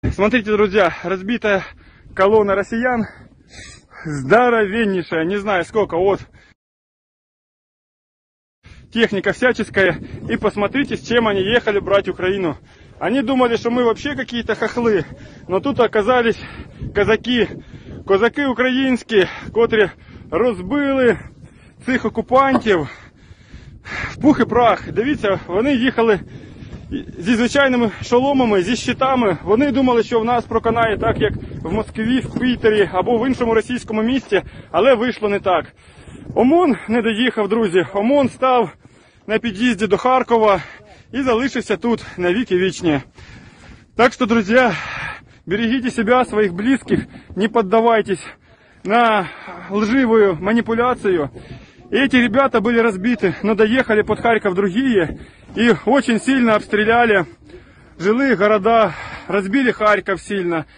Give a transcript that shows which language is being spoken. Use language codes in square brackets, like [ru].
[ru] Смотрите, друзья, разбитая колонна россиян. Здоровеннейшая, не знаю сколько, вот. Техника всяческая. И посмотрите, с чем они ехали брать Украину. Они думали, что мы вообще какие-то хохлы. Но тут оказались казаки. [uk] Козаки [ru] украинские, [uk] котрі розбили цих окупантів в пух і прах. Дивіться, вони їхали зі звичайними шоломами, зі щитами. Вони думали, що в нас проконає так, як в Москві, в Пітері або в іншому російському місті, але вийшло не так. ОМОН не доїхав, друзі. ОМОН став на під'їзді до Харкова і залишився тут навіки вічні. [ru] Так що, друзі, берегите себя, своих близких, не поддавайтесь на лживую манипуляцию. Эти ребята были разбиты, но доехали под Харьков другие и очень сильно обстреляли жилые города, разбили Харьков сильно.